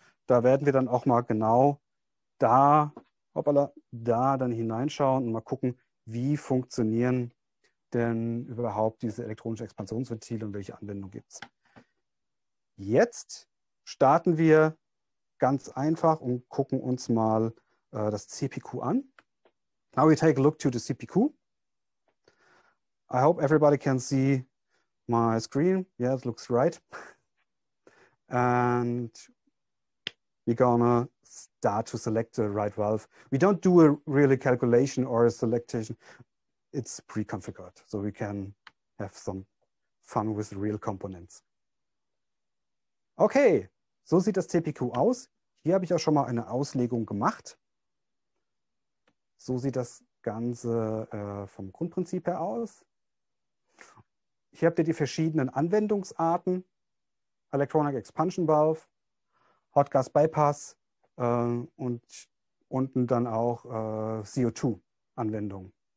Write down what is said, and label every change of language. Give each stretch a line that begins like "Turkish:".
German: Da werden wir dann auch mal genau da dann hineinschauen und mal gucken, wie funktionieren denn überhaupt diese elektronischen Expansionsventile und welche Anwendung gibt es. Jetzt starten wir ganz einfach und gucken uns mal das CPQ an.
English: Now we take a look to the CPQ. I hope everybody can see my screen. Yeah, it looks right. And we're gonna start to select the right valve. We don't do a really calculation or a selection. It's pre-configured, so we can have some fun with real components.
German: Okay, so sieht das CPQ aus. Hier habe ich auch schon mal eine Auslegung gemacht. So sieht das Ganze vom Grundprinzip her aus. Hier habt ihr die verschiedenen Anwendungsarten. Electronic Expansion Valve, Hot Gas Bypass und unten dann auch CO2-Anwendung.